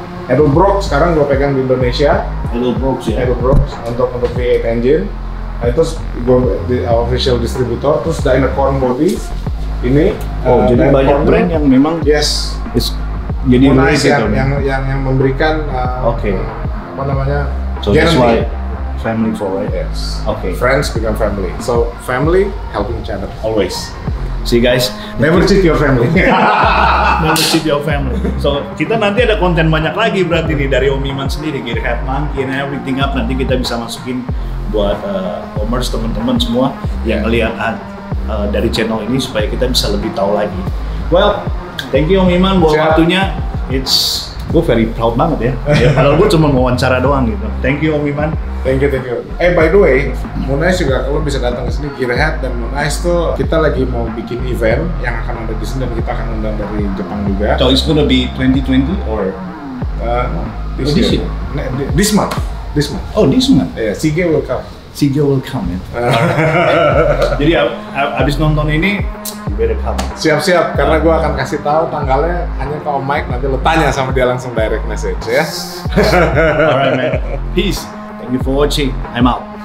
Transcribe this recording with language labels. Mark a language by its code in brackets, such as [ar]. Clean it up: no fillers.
[id] Edelbrock sekarang gua pegang di Indonesia. Edelbrock ya. Edelbrock untuk V8 engine. Nah, itu gua di official distributor. Terus Dynacorn Body ini. Oh, jadi Dynacorn banyak brand yang memang [en] yes. [id] Jadi Moon Ice yang memberikan. Oke. Okay. Apa namanya? [en] So generally, that's why family forward. Yes. Okay. Friends become family. So family helping each other always. See guys, never cheat your family. Never cheat your family. [id] So kita nanti ada konten banyak lagi berarti nih dari Om Iman sendiri, Gearhead Monkey and everything up. Nanti kita bisa masukin buat commerce teman-teman semua yang ngeliat dari channel ini supaya kita bisa lebih tahu lagi. [en] Well, thank you Om Iman [id] buat waktunya. [en] It's gue very proud banget ya. [id] Padahal gue cuma mau wawancara doang gitu. [en] Thank you [id] Om Iman. [en] Thank you. [id] By the way, Moon Ice juga kalau bisa datang ke sini, Gearhead dan Moon Ice tuh kita lagi mau bikin event yang akan ada di sini dan kita akan undang dari Jepang juga. [en] So it's gonna be 2020 or this month. Oh, this month. Yeah, Sige will come. [id] Yeah. Jadi abis nonton ini siap-siap karena gue akan kasih tahu tanggalnya hanya ke Om Mike, nanti lo tanya sama dia langsung direct message ya. [en] Alright man, peace, thank you for watching, I'm out.